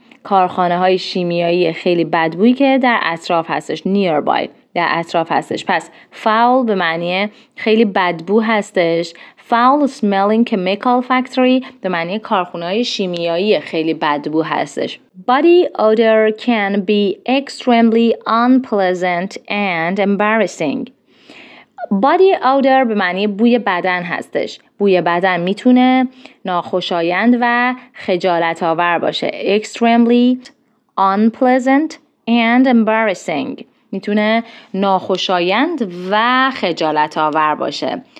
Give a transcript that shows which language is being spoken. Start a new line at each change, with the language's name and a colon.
Persian: کارخانه های شیمیایی خیلی بدبوی که در اطراف هستش. Nearby در اطراف هستش. پس foul به معنی خیلی بدبو هستش.
English: Foul smelling chemical factory
Persian: به معنی کارخونه های شیمیایی خیلی بدبو هستش.
English: Body odor can be extremely unpleasant and embarrassing.
Persian: Body odor به معنی بوی بدن هستش. بوی بدن میتونه ناخوشایند و خجالت آور باشه.
English: Extremely unpleasant and embarrassing.
Persian: میتونه ناخوشایند و خجالت آور باشه.